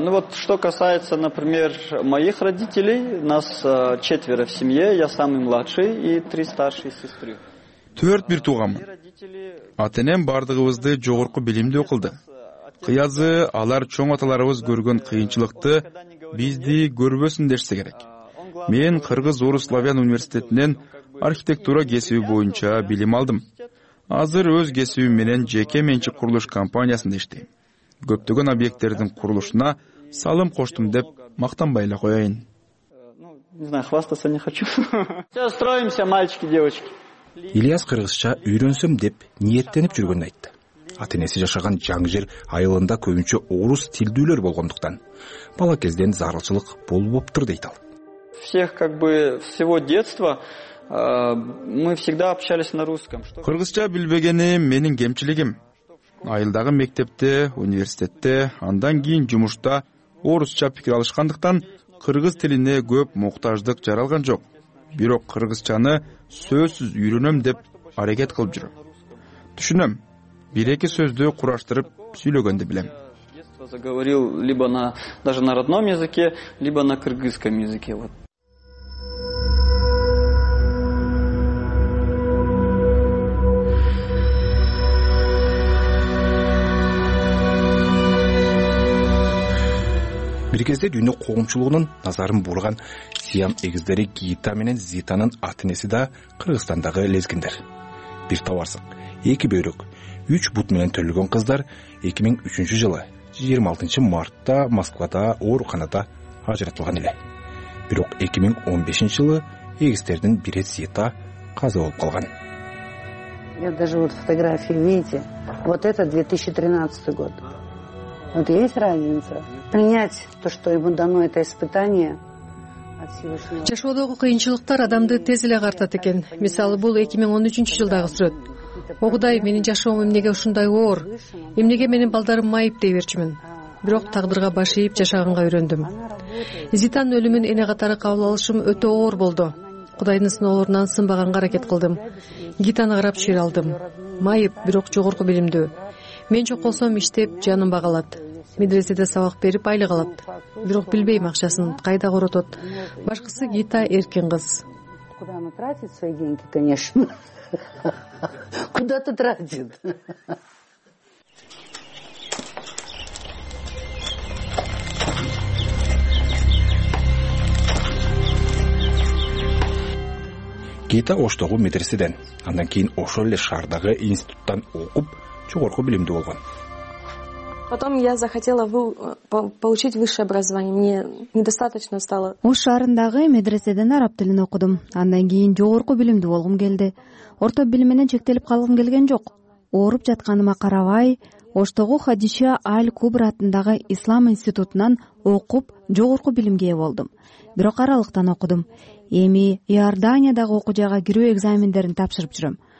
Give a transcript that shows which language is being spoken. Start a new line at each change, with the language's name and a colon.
Russian: Что касается, например, моих родителей, нас четверо в семье, я самый младший и три старшие сестры.
Kyrgyz: Төрт бир тугамын. Атенем бардыгыбызды жогорку билимдүү кылды. Кыязы алар чоң аталарыбыз көргөн кыйынчылыкты бизди көрбөсүн дешсе керек. Мен кыргыз орус славян университетинен архитектура кесиби боюнча билим алдым. Азыр өз кесибим менен жеке менчик курулуш компаниясында иштейм. Көптөгөн объекттердин курулушуна салым коштум деп мактанбай эле коёюн.
Russian: Не знаю, хвастаться не хочу. Сейчас строимся, мальчики, девочки.
Kyrgyz: Ильяс кыргызча үйрөнсөм деп ниеттенип жүргөнүн айтты. Атенеси жашаган жаң жер айылында көбүнчө орус тилдүүлөр болгондуктан бала кезден зарылчылык болбоптур дейт ал.
Russian: Всех как бы всего детства мы всегда общались на русском.
Kyrgyz: Кыргызча билбегени менин кемчилигим. Айылдагы мектепте, университетте, андан кийин жумушта орусча пикир алышкандыктан кыргыз тилине көп муктаждык жаралган жок. Бирок кыргызчаны сөзсүз үйрөнөм деп аракет кылып жүрөм. Түшүнөм. Бир эки сөздү кураштырып сүйлөгөндү билем.
Russian: Заговорил либо на даже на родном языке, либо на кыргызском языке.
Kyrgyz: Бир кезде дүйнө коомчулугунун назарын бурган сиям эгиздери Гита менен Зитанын атенеси да Кыргызстандагы лезгиндер. Бир табарсык, эки бөйрөк, үч бут менен төрөлгөн кыздар 2003 жылы 26 мартта Москвада ооруканада ажыратылган эле. Бирок 2015 жылы эгиздердин бири Зита каза болуп калган.
Russian: Я даже вот фотографии видите, вот это 2013 год. Вот есть разница. Принять то, что ему дано это испытание.
Kyrgyz: Жашоодогу кыйынчылыктар адамды тез эле картат экен. Мисалы, бул 2013 жылдагы сүрөт. Огудай, менин жашоом эмнеге ушундай оор? Эмнеге менин балдарым майып дей берчүмүн? Бирок тагдырга баш ийип жашаганга үйрөндүм. Зитан өлүмүн эне катары кабыл алышым өтө оор болду. Кудайдын сыноолорунан сынбаганга аракет кылдым. Гитаны карап чыйыр алдым. Майып, бирок жогорку билимдүү. Мен жок болсом иштеп жанын багалат. Медреседе сабак берип айлык алат. Бирок билбейм акчасын кайда коротот. Башкысы Гита эркин кыз.
Russian: Куда она тратит свои деньги, конечно. Куда-то тратит.
Kyrgyz: Гита Оштогу медреседен, андан кийин ошол эле шаардагы институттан окуп жогорку билимдүү болгон.
Russian: Потом я захотела получить высшее образование. Мне недостаточно стало.
Kyrgyz: Ош шаарындагы медреседен араб тилин окудум. Андан кийин жогорку билимдүү болгум келди. Орто билим менен чектелип калгым келген жок. Ооруп жатканыма карабай, Оштогу Хадиша аль-Кубра атындагы Ислам институтунан окуп, жогорку билимге ээ болдум. Бирок аралыктан окудум. Эми Иорданиядагы окуу жайга кирүү экзамендерин тапшырып жүрөм.